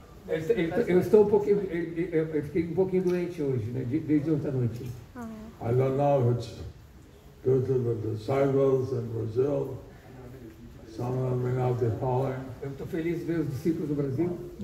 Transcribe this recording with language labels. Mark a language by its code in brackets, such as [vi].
[pt] Eu estou fiquei um pouquinho doente hoje, né? Desde ontem à noite. [en] I don't know if it's due to the disciples in Brazil. Some of them may not be falling. [pt] Eu estou feliz de ver os discípulos do Brasil.